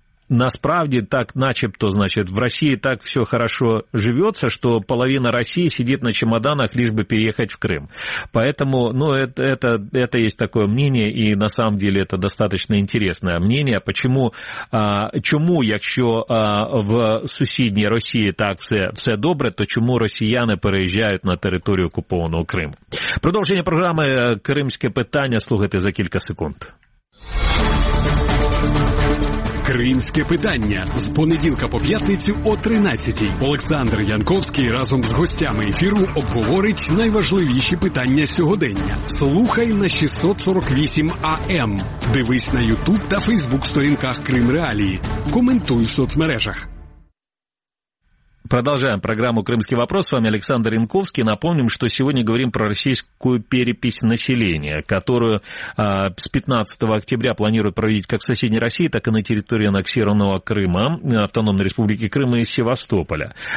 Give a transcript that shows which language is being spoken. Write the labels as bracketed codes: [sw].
[uk] Насправді, так начебто, значить, [ru] в Росії так все хорошо живется, что половина России сидит на чемоданах, лишь бы переехать в Крым. Поэтому, ну, это есть такое мнение, и на самом деле это достаточно интересное мнение. Почему, [uk] чому, якщо в сусідній Росії так все добре, то чому росіяни переїжджають на територію окупованого Криму? Продовження програми «Кримське питання» слухайте за кілька секунд. Кримське питання з понеділка по п'ятницю о 13:00. Олександр Янковський разом з гостями ефіру обговорить найважливіші питання сьогодення. Слухай на 648 АМ. Дивись на Ютуб та Фейсбук сторінках Крим Реалії. Коментуй в соцмережах. [ru] Продолжаем программу «Крымский вопрос». С вами Александр Янковский. Напомним, что сегодня говорим про российскую перепись населения, которую с 15 октября планируют проводить как в соседней России, так и на территории аннексированного Крыма, Автономной Республики Крым и Севастополя.